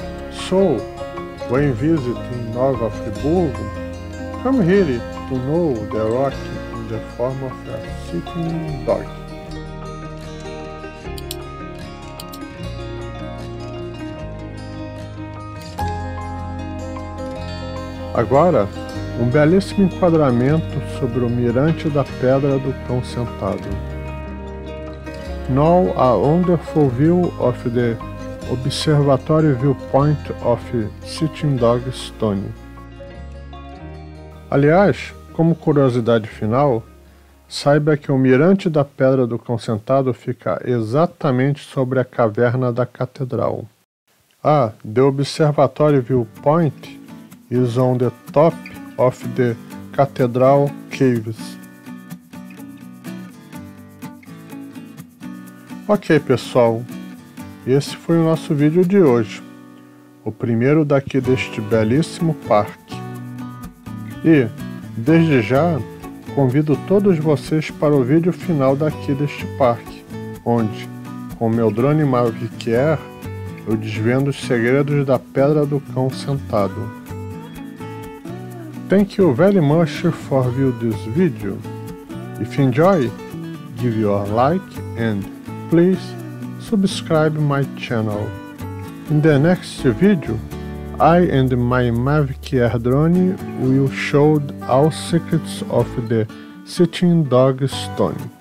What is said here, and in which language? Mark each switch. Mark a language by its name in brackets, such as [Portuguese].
[English] So, when visiting Nova Friburgo, come here to know the rock in the form of a sitting dog. [Portuguese] Agora, um belíssimo enquadramento sobre o mirante da Pedra do Cão Sentado. [English] Now a wonderful view of the observatory viewpoint of Sitting Dog Stone. [Portuguese] Aliás, como curiosidade final, saiba que o mirante da Pedra do Cão Sentado fica exatamente sobre a caverna da catedral. [English] Ah, the observatory viewpoint is on the top of the cathedral caves. [Portuguese] Ok, pessoal, esse foi o nosso vídeo de hoje, o primeiro daqui deste belíssimo parque. E, desde já, convido todos vocês para o vídeo final daqui deste parque, onde, com meu drone Mavic Air, eu desvendo os segredos da Pedra do Cão Sentado. [English] Thank you very much for viewing this video. If you enjoy, give your like and please subscribe my channel. In the next video, I and my Mavic Air drone will show all secrets of the Sitting Dog Stone.